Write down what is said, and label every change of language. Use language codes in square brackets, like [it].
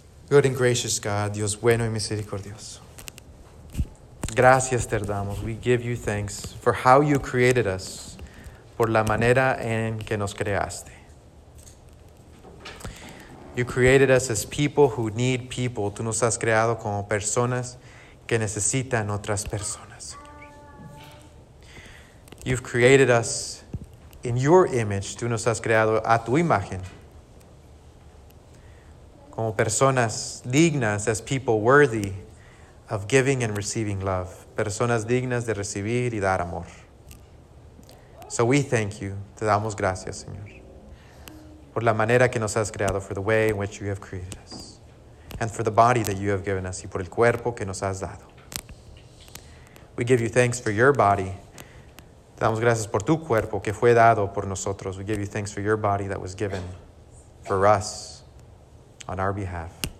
[en] Good and gracious God, [es] Dios bueno y misericordioso. Gracias te damos. [en] We give you thanks for how you created us, [es] por la manera en que nos creaste. [en] You created us as people who need people. [es] Tú nos has creado como personas que necesitan otras personas, Señor. [en] You've created us in your image. [es] Tú nos has creado a tu imagen. Como personas dignas, [en] as people worthy of giving and receiving love. [es] Personas dignas de recibir y dar amor. [en] So we thank you. [es] Te damos gracias, Señor. Por la manera que nos has creado, [en] for the way in which you have created us. And for the body that you have given us, [es] y por el cuerpo que nos has dado. [en] We give you thanks for your body. [es] Te damos gracias por tu cuerpo que fue dado por nosotros. [en] We give you thanks for your body that was given for us on our behalf.